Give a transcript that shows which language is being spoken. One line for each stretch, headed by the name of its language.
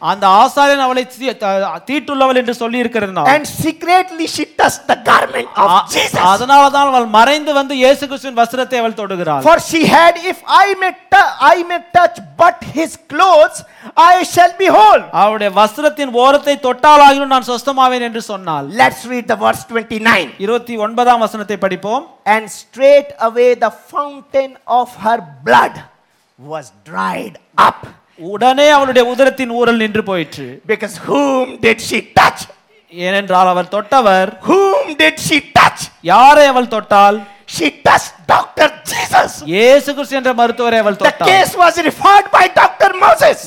Tamil: அந்த ஆசாரியன் அவளை தீட்டுள்ளவள் என்று சொல்லி இருக்கிறதுனால்.
English: And secretly she touched the garment of Jesus.
Tamil: அதனால தான் அவள் மறைந்து வந்து இயேசு கிறிஸ்துவின் வஸ்திரத்தை அவள் தொடுகிறாள்.
English: For she had if I may touch but his clothes I shall be whole.
Tamil: அவளுடைய வஸ்திரத்தின் ஓரத்தை தொட்டால் ஆகிலும் நான் சுத்தமாவேன் என்று சொன்னாள்.
English: Let's read the verse 29.
Tamil: 29 வசனம் படிப்போம்.
English: And straight away the fountain of her blood was dried up.
Tamil: உடனே அவளுடைய உதரத்தின் ஊரல் நின்று போயிற்று.
English: Because whom did she touch?
Tamil: ஏனென்றால் அவள் தொட்டவர்.
English: Whom did she touch?
Tamil: யாரை அவள் தொட்டால்?
English: She touched Dr. Jesus.
Tamil: இயேசு கிறிஸ்து என்ற மருத்துவரை அவள் தொட்டாள்.
English: The case was referred by Dr. Moses.